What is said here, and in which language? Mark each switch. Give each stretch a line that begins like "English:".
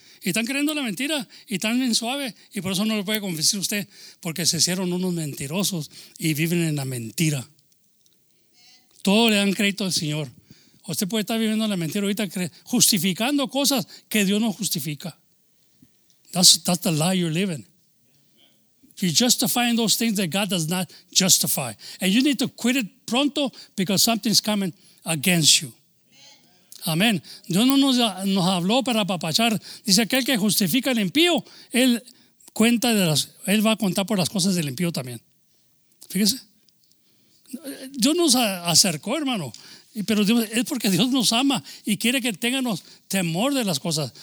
Spanish: Y están creyendo la mentira y están bien suave y por eso no lo puede convencer usted porque se hicieron unos mentirosos y viven en la mentira. Todo le dan crédito al Señor. Usted puede estar viviendo la mentira ahorita, justificando cosas que Dios no justifica.
English: That's the lie you're living. You're justifying those things that God does not justify. And you need to quit it pronto because something's coming against you.
Spanish: Amén. Dios no nos habló para apapachar. Dice aquel que justifica el impío, él va a contar por las cosas del impío también. Fíjese. Dios nos acercó, hermano. Pero Dios, es porque Dios nos ama y quiere que tengamos temor de las cosas.